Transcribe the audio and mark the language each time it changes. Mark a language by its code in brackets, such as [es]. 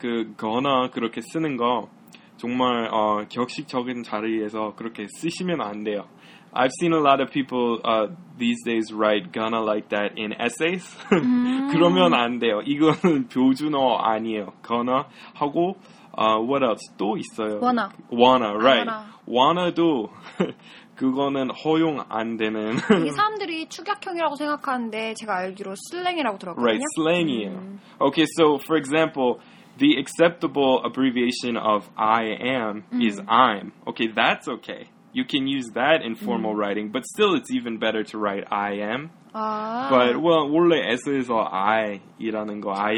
[ko] 그 gonna 그렇게 쓰는 거 정말 격식적인 자리에서 그렇게 쓰시면 안 돼요. [en] I've seen a lot of people these days write gonna like that in essays. [ko] 그러면 안 돼요. 이거는 표준어 아니에요. gonna 하고 [en] what else? [ko] 또 있어요. [en] Wanna, [ko] right. Wanna도 그거는 허용 안 되는. 이게 사람들이 축약형이라고 생각하는데 제가 알기로 슬랭이라고 들었거든요. Right, 슬랭이에요. [en] Okay, so for example, the acceptable abbreviation of I am is I'm. Okay, that's okay. You can use that in formal writing, but still it's even better to write I am. [ko] But, well, 원래 에서에서 I이라는 거 I